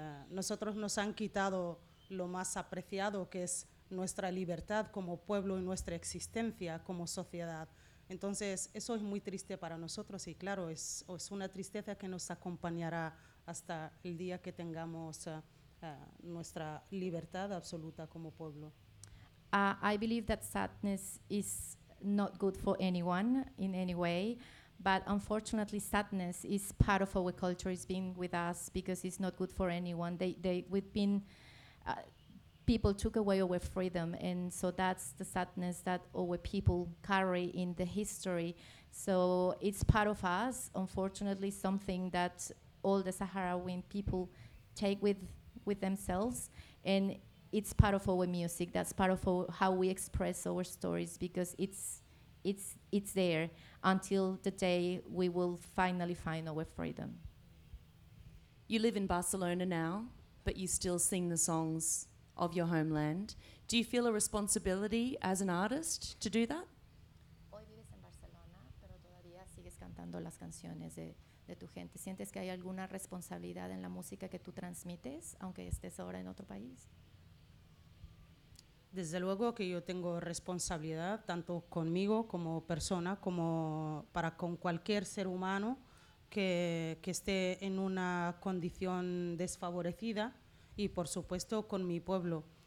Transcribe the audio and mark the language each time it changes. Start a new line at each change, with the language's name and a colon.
Spanish: Nosotros nos han quitado lo más apreciado, que es nuestra libertad como pueblo y nuestra existencia como sociedad. Entonces, eso es muy triste para nosotros, y claro, es una tristeza que nos acompañará hasta el día que tengamos nuestra libertad absoluta como pueblo.
English: I believe that sadness is not good for anyone in any way, but unfortunately sadness is part of our culture. It's been with us because it's not good for anyone. We've been people took away our freedom, and so that's the sadness that our people carry in the history. So it's part of us, unfortunately, something that all the Saharawi people take with themselves, and it's part of our music. That's part of how we express our stories, because it's there until the day we will finally find our freedom. You live in Barcelona now, but you still sing the songs of your homeland. Do you feel a responsibility as an artist to do that?
Spanish: Hoy vives en Barcelona, pero todavía sigues cantando las canciones de tu gente. ¿Sientes que hay alguna responsabilidad en la música que tú transmites, aunque estés ahora en otro país? Desde luego que yo tengo responsabilidad tanto conmigo como persona como para con cualquier ser humano que esté en una condición desfavorecida y por supuesto con mi pueblo.